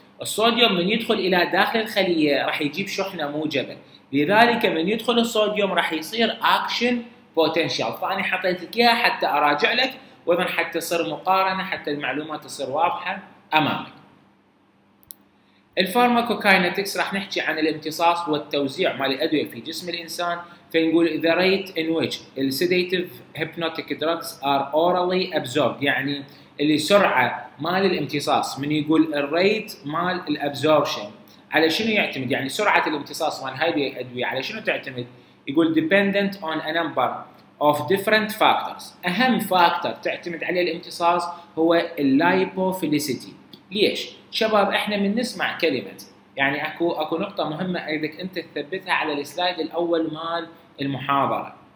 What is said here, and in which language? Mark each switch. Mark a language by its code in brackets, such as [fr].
[ar] الصوديوم من يدخل الى داخل الخليه راح يجيب شحنه موجبه، لذلك من يدخل الصوديوم راح يصير اكشن بوتنشال. فانا حطيت لك اياها حتى اراجع لك وإذن حتى تصير مقارنة، حتى المعلومة تصير واضحة أمامك. الفارماكوكاينتكس راح نحكي عن الامتصاص والتوزيع مال الأدوية في جسم الإنسان. فنقول [en] the rate in which sedative hypnotic drugs are orally absorbed، [ar] يعني اللي سرعة مال الامتصاص. من يقول الريت مال الابزوربشن على شنو يعتمد؟ يعني سرعة الامتصاص مال هاي الأدوية على شنو تعتمد؟ يقول [en] dependent on a number of different factors. [ar] اهم فاكتور تعتمد عليه الامتصاص هو اللايبوفيليسيتي. ليش شباب؟ احنا من نسمع كلمه، يعني اكو نقطه مهمه اريدك انت تثبتها على السلايد الاول مال المحاضره.